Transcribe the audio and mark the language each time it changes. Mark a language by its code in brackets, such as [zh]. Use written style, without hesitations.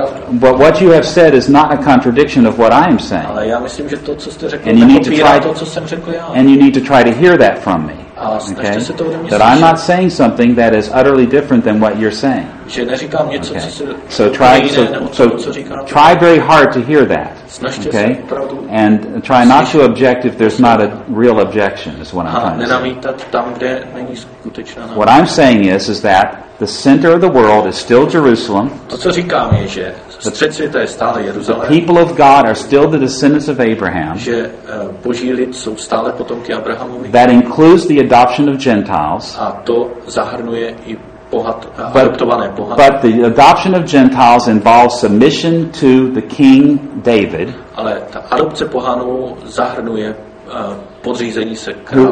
[en] But what you have said is not a contradiction of what I am saying. [cs] Ale já myslím, že to, co jste řekl, [en] and you need to try to, [cs] co jsem řekl já. [en] And you need to try to hear that from me. Okay? That I'm not saying something that is utterly different than what you're saying. [cs] Že neříkám něco, okay? [en] So try very hard to hear that. Okay? And try not to object if there's not a real objection, is what I'm trying to say. What I'm saying is that the center of the world is still Jerusalem. [cs] To, co říkám, je, že střed světa je stále Jeruzalém. [en] The people of God are still the descendants of Abraham. [cs] Že Boží lid jsou stále potomky Abrahamovi. [en] That includes the adoption of Gentiles. [cs] A to zahrnuje i adoptované pohany. [en] But the adoption of Gentiles involves submission to the king David. [cs] Ale ta adopce pohanů zahrnuje podřízení se králu.